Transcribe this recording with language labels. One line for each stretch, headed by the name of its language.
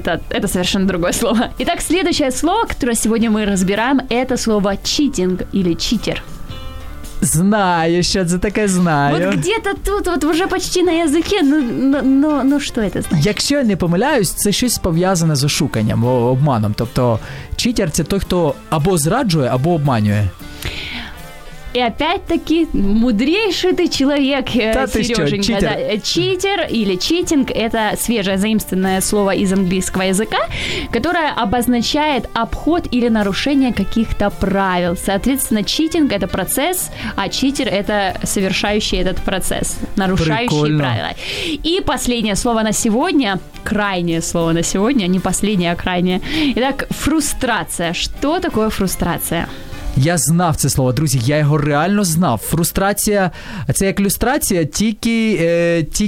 Russian: Это совершенно другое слово. Итак, следующее слово, которое сегодня мы разбираем, это слово «читинг» или «читер».
Ukrainian: Знаю, що це таке знаю. От где-то тут, от вже почти на язикі, ну що це значить? Якщо я не помиляюсь, це щось пов'язане з ошуканням, обманом. Тобто читер – це той, хто або зраджує, або обманює.
Russian: И опять-таки, мудрейший ты человек, да, Сереженька. Читер. Да. Читер или читинг – это свежее заимствованное слово из английского языка, которое обозначает обход или нарушение каких-то правил. Соответственно, читинг – это процесс, а читер – это совершающий этот процесс, нарушающий Прикольно. Правила. И последнее слово на сегодня, крайнее слово на сегодня, не последнее, а крайнее. Итак, фрустрация. Что такое фрустрация?
Ukrainian: Я знав це слово, друзі, я його реально знав. Фрустрація, це як люстрація, тільки